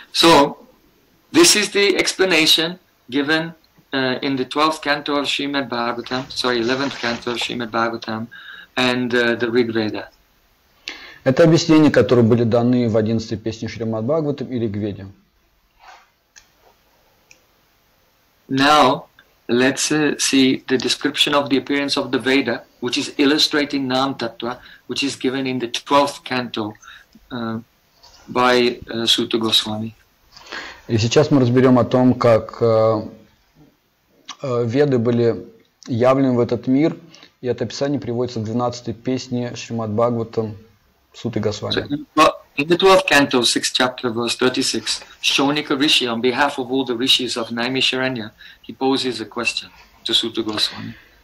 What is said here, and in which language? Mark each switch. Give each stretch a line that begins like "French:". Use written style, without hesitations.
English: So, this is the explanation given in the 12th canto of Srimad Bhagavatam, sorry, 11th canto of Srimad Bhagavatam and the Rig Veda.
Russian: Это объяснения, которые были даны в 11-й песне Шримад Бхагаватам и Риг Веде.
English: Now, let's see the description of the appearance of the Veda, which is illustrating Nam Tattva, which is given in the 12th canto. By Suta Goswami.
Russian: И сейчас мы разберем о том, как веды были явлены в этот мир, и это описание приводится в 12-й песне Шримад Бхагаватам Суты Госвами.
English: In the 12th canto, 6th chapter, verse 36, Shonika Rishi, on behalf of all the rishis of Naimisharanya, he poses a question to Suta Goswami.